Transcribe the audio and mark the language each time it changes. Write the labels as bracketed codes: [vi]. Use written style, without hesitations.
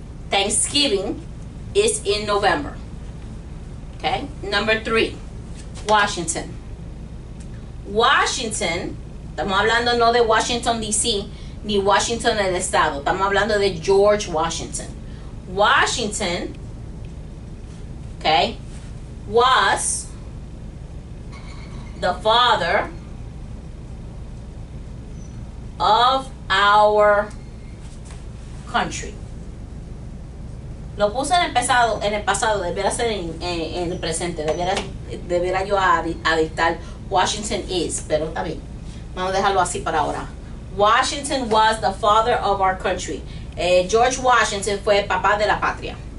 [en] Thanksgiving is in November. ¿Ok? Number three. Washington. Washington. [es] Estamos hablando no de Washington, D.C., ni Washington el Estado. Estamos hablando de George Washington. [en] Washington, okay, was the father of our country. [es] Lo puse en el pasado, debiera ser en el presente, debiera yo adictar [en] Washington is, [es] pero está bien. Vamos a dejarlo así para ahora. [en] Washington was the father of our country. [es] George Washington fue el papá de la patria.